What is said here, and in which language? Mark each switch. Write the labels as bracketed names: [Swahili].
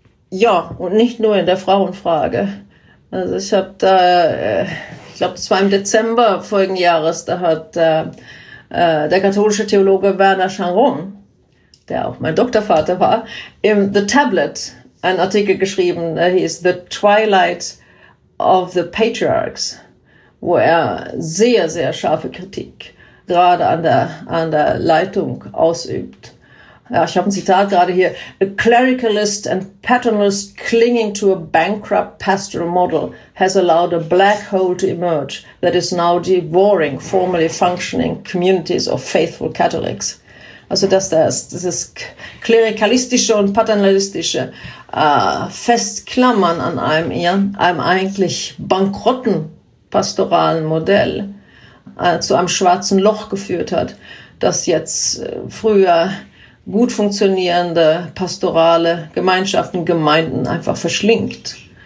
[German] Ja, und nicht nur in der Frauenfrage. Also ich habe da, ich glaube, es war im Dezember folgenden Jahres, da hat der katholische Theologe Werner Charron, der auch mein Doktorvater war, im The Tablet einen Artikel geschrieben, der hieß The Twilight of the Patriarchs, wo er sehr, sehr scharfe Kritik gerade an der Leitung ausübt. Ja, ich habe ein Zitat gerade hier. [English] A clericalist and paternalist clinging to a bankrupt pastoral model has allowed a black hole to emerge that is now devouring formerly functioning communities of faithful Catholics. [German] Also dass dieses klerikalistische und paternalistische Festklammern an einem eigentlich bankrotten pastoralen Modell zu einem schwarzen Loch geführt hat, das jetzt früher gut funktionierende pastorale Gemeinschaften, Gemeinden einfach verschlingt.